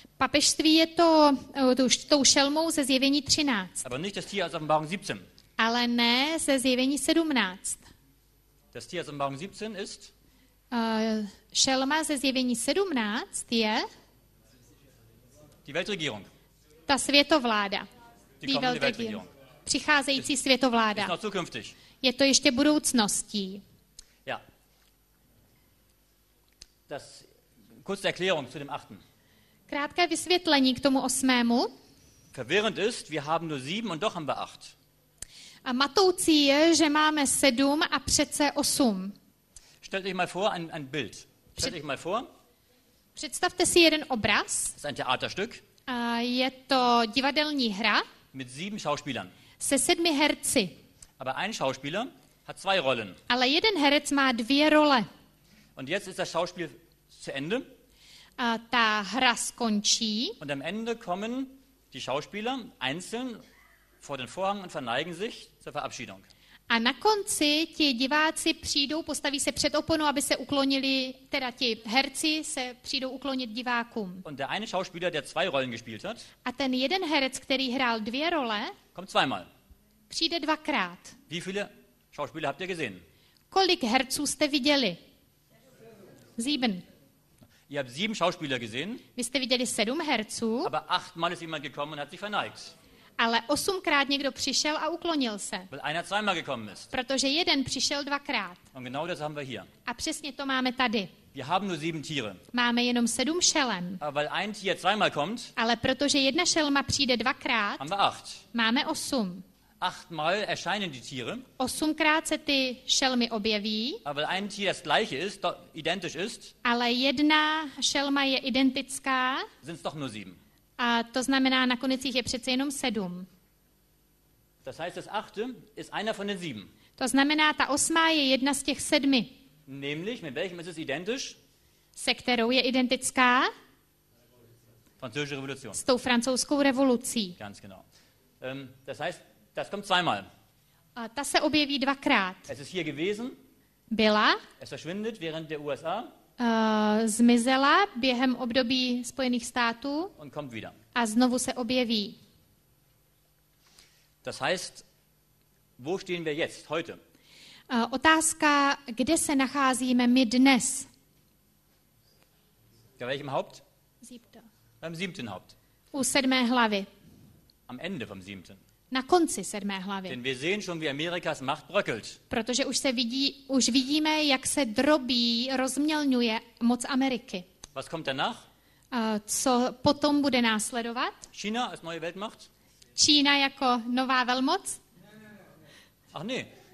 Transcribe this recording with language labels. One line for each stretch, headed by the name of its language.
Czech: Papežství je to tou šelmou ze zjevení 13.
German: Aber nicht das Tier aus Offenbarung 17.
Czech: Ale ne ze zjevení 17.
German: Das Tier aus Offenbarung 17 ist?
Czech: Šelma ze zjevení 17 je?
German: Die Weltregierung.
Czech: Ta světovláda.
German: Die Weltregierung.
Czech: Přicházející světovláda. Je to ještě budoucností.
German: Ja. Das kurze Erklärung zu dem achten.
Czech: Krátké vysvětlení k tomu osmému.
German: Verwirrend ist, wir haben nur sieben und doch haben wir acht.
Czech: A matoucí je, že máme sedm a přece osm.
German: Stell dich mal vor ein Bild. Stell dich mal vor.
Czech: Představte si jeden obraz.
German: Das ist ein Theaterstück.
Czech: Je to divadelní hra.
German: Mit sieben Schauspielern.
Czech: Se sedmi herci.
German: Aber ein Schauspieler hat zwei Rollen.
Czech: Ale jeden herec má dvě role.
German: Und jetzt ist das Schauspiel zu Ende.
Czech: Ta hra skončí.
German: Und am Ende kommen die Schauspieler einzeln vor den Vorhang und verneigen sich zur Verabschiedung.
Czech: A na konci ti diváci přijdou, postaví se před oponu, aby se uklonili, teda ti herci se přijdou uklonit divákům.
German: Und der eine Schauspieler, der zwei Rollen gespielt hat,
Czech: a ten jeden herec, který hrál dvě role,
German: kommt zweimal.
Czech: Přijde dvakrát.
German: Wie viele Schauspieler habt ihr gesehen?
Czech: Kolik herců jste viděli?
German: Sieben. Ihr habt sieben Schauspieler gesehen.
Czech: Vy jste viděli sedm herců.
German: Aber achtmal ist jemand gekommen und hat sich verneigt.
Czech: Ale osmkrát někdo přišel a uklonil se.
German: Weil einer zweimal gekommen ist.
Czech: Protože jeden přišel dvakrát.
German: Und genau das haben wir hier.
Czech: A přesně to máme tady.
German: Wir haben nur sieben Tiere.
Czech: Máme jenom sedm šelem.
German: Aber weil ein Tier zweimal kommt.
Czech: Ale protože jedna šelma přijde dvakrát.
German: Haben wir acht.
Czech: Máme osm.
German: Achtmal erscheinen die Tiere.
Czech: Osmkrát se ty šelmy objeví.
German: Aber weil ein Tier das gleiche ist, identisch ist.
Czech: Ale jedna šelma je identická.
German: Sind es doch nur sieben.
Czech: A to znamená, na konicích je přece jenom sedm.
German: Das heißt, das achte ist einer von den sieben.
Czech: To znamená, ta osmá je jedna z těch sedmi.
German: Nämlich, mit welchem ist es identisch?
Czech: Se kterou je identická?
German: Französische Revolution.
Czech: S tou francouzskou revolucí.
German: Ganz genau. Das heißt, das kommt zweimal.
Czech: A ta se objeví dvakrát.
German: Es ist hier gewesen.
Czech: Byla.
German: Es verschwindet während der USA.
Czech: Zmizela během období Spojených států a znovu se objeví.
German: Das heißt, wo stehen wir jetzt, heute?
Czech: Otázka, kde se nacházíme my dnes?
German: Ja, welchem Haupt? Siebte. Beim siebten Haupt.
Czech: U sedmé hlavy.
German: Am Ende vom siebten.
Czech: Na konci sedmé hlavy.
German: Denn wir sehen schon, wie Amerikas Macht bröckelt.
Czech: Protože už vidíme, jak se drobí, rozmělňuje moc Ameriky.
German: Was kommt danach?
Czech: Co potom bude následovat?
German: China als neue Weltmacht?
Czech: Čína jako nová velmoc?
German: Ach ne.